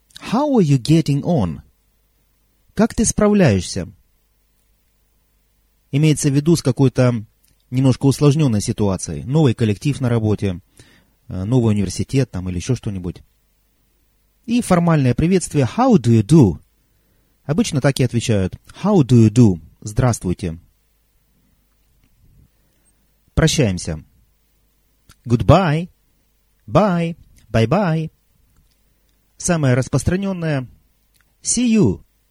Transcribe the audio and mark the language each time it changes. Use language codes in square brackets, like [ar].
[en] How are you getting on? [ru] Как ты справляешься? Имеется в виду с какой-то немножко усложненной ситуацией. Новый коллектив на работе. Новый университет там или еще что-нибудь. И формальное приветствие [en] «How do you do?» [ru] Обычно так и отвечают [en] «How do you do?» [ru] «Здравствуйте!» Прощаемся. [en] Goodbye! Bye! Bye-bye! [ru] Самое распространенное [en] «See you!»